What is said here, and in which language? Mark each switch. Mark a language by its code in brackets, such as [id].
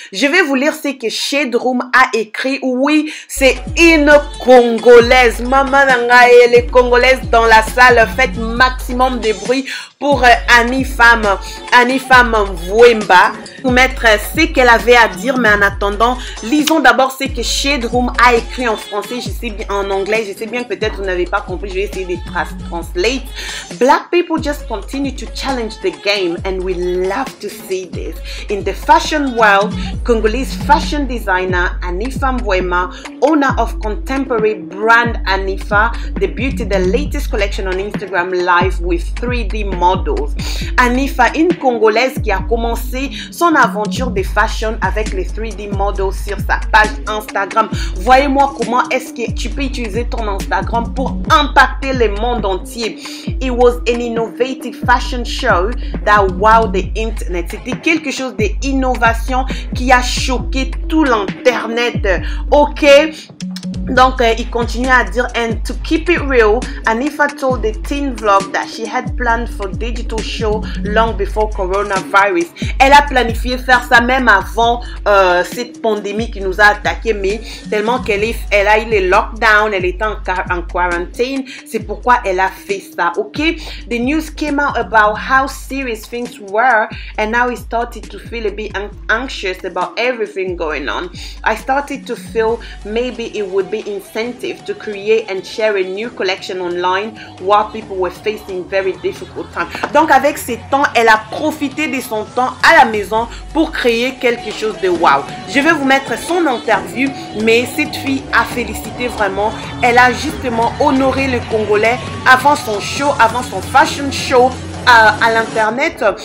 [fr] Je vais vous lire ce que Shade Room a écrit. Oui, c'est une congolaise, maman, elle est congolaise dans la salle, faites maximum de bruit pour Annie Femme Mwemba, pour mettre ce qu'elle avait à dire, mais en attendant, lisons d'abord ce que Shade Room a écrit en français. Je sais bien, en anglais, je sais bien que peut-être vous n'avez pas compris, je vais essayer de translate. [en] Black people just continue to challenge the game and we love to see this. In the fashion world, Congolese fashion designer Annie Femme Mwemba, owner of contemporary brand Anifa, debuted the latest collection on Instagram Live with 3D models. [fr] Anifa, une Congolaise qui a commencé son aventure de fashion avec les 3D models sur sa page Instagram. Voyez-moi comment est-ce que tu peux utiliser ton Instagram pour impacter le monde entier. [en] It was an innovative fashion show that wowed the internet. [fr] C'était quelque chose d'innovation qui a choqué tout l'internet. Ok? Donc, il continue à dire, [en] and to keep it real, Anifa told the teen vlog that she had planned for digital show long before coronavirus. [fr] Elle a planifié faire ça même avant cette pandémie qui nous a attaqué, mais tellement qu'elle a eu le lockdown, elle était en quarantaine, c'est pourquoi elle a fait ça, ok? [en] The news came out about how serious things were, and now I started to feel a bit anxious about everything going on. I started to feel maybe it would be incentive to create and share a new collection online while people were facing very difficult times. [fr] Donc avec ses temps, elle a profité de son temps à la maison pour créer quelque chose de wow. Je vais vous mettre son interview, mais cette fille a félicité vraiment. Elle a justement honoré le Congolais avant son show, avant son fashion show à l'internet.